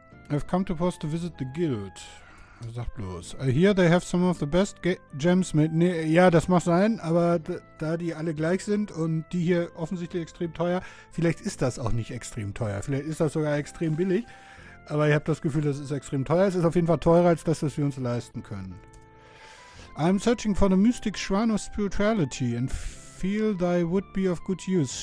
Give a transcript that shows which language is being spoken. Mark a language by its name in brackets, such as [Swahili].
[English] I've come to post to visit the guild. [German] Sag bloß. [English] Here they have some of the best gems made. [German] Nee, ja, das mag sein, aber da die alle gleich sind und die hier offensichtlich extrem teuer, vielleicht ist das auch nicht extrem teuer. Vielleicht ist das sogar extrem billig. Aber ich habe das Gefühl, das ist extrem teuer. Es ist auf jeden Fall teurer als das, was wir uns leisten können. [English] I'm searching for the mystic shrine of spirituality and feel thy would be of good use.